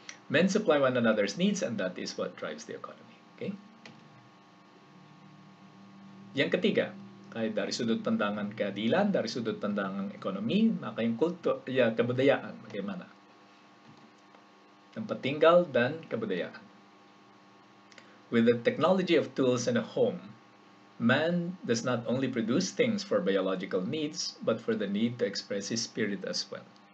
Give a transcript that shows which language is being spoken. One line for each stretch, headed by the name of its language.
English: Men supply one another's needs and that is what drives the economy. Okay?
Indonesian: Yang ketiga, kayak dari sudut pandangan keadilan, dari sudut pandangan ekonomi, maka yang kultur, ya, kebudayaan, bagaimana? Tempat tinggal dan kebudayaan.
English: With the technology of tools and a home, man does not only produce things for biological needs, but for the need to express his spirit as well.